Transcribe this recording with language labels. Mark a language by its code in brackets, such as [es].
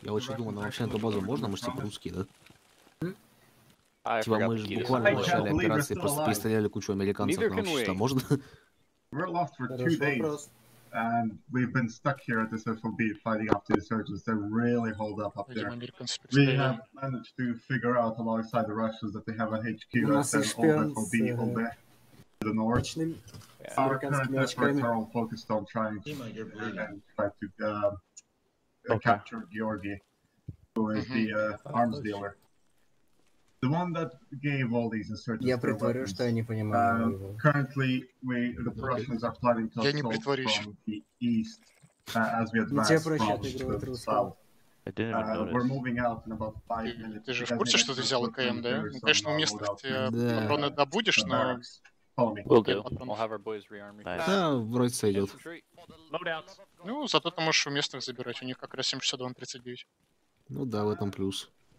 [ru] Я вообще думал, на вообще на эту базу можно, мы же типа русские, да? Типа мы же буквально в начале операции просто перестреляли кучу американцев, нам вообще что-то можно? [en] We're lost for two days, and we've been stuck here at this FOB fighting after the surgeons, they really hold up there. We have managed to figure out alongside the Russians that they have a HQ at the FOB over to the north. Our current efforts are all focused on trying to capture Georgi, who is the arms dealer. The one that gave all these insurgents their weapons. Currently, the Russians are planning to assault from the east as we advance from the south. I didn't even notice. We're moving out in about 5 minutes. [ru] Ты же в курсе, что ты взял АКМ, да? Конечно, у местных ты патроны добудешь, но... [en] Will do. We'll have our boys rearm you. [ru] Да, вроде сойдет. [en] Loadouts. [ru] Ну, зато ты можешь у местных забирать, у них как раз 7-6-2-39. Ну да, в этом плюс.